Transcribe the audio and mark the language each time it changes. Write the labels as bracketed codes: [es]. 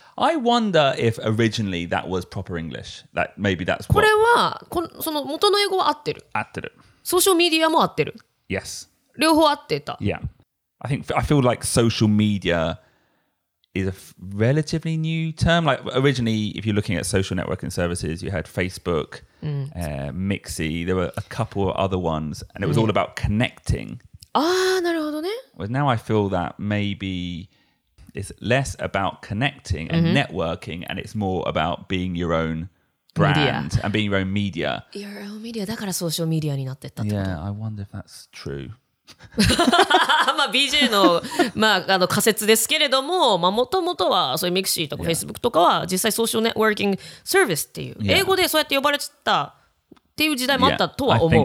[en] I wonder if originally that was proper English. That maybe that's what... [ja] これはこのその元の英語は合ってる。合ってる。ソーシャルメディアも合ってる。 [en] Yes. [ja] 両方合ってた。 [en] Yeah. I feel like social media is a relatively new term. Like originally, if you're looking at social networking services, you had Facebook, Mixi. There were a couple of other ones, and it was all about connecting. [ja] ああ、なるほどね。 [en] Well, now I feel that maybe... It's less about connecting and networking, and it's more about being your own brand、and being your own media. Your own media. [ja] だからソーシャルメディアになってったってこと。 [en] Yeah, I wonder if that's true. [ja] まあ BJ の、まあ、あの仮説ですけれども、まあ、もともとはそういうミクシーとか Facebook とかは実際ソーシャルネットワーキングサービスっていう、英語でそうやって呼ばれてたっていう時代もあったとは思う。